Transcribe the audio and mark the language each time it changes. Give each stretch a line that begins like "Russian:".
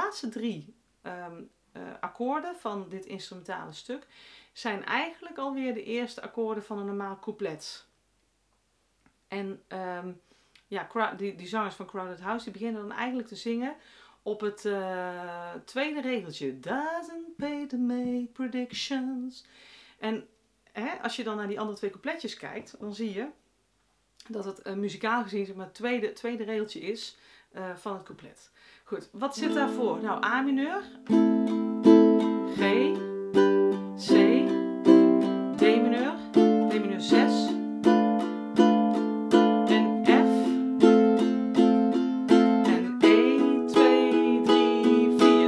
Dutch: 3 akkoorden van dit instrumentale stuk zijn eigenlijk alweer de eerste akkoorden van een normaal couplet. En ja, die zangers van Crowded House die beginnen dan eigenlijk te zingen op het tweede regeltje.
English: Doesn't pay to make predictions.
Dutch: En hè, als je dan naar die andere twee coupletjes kijkt, dan zie je dat het muzikaal gezien zeg maar, het tweede regeltje is van het couplet. Goed, wat zit daarvoor? Nou, A mineur, G, C, D mineur, D mineur 6 en F en 1, 2, 3, 4.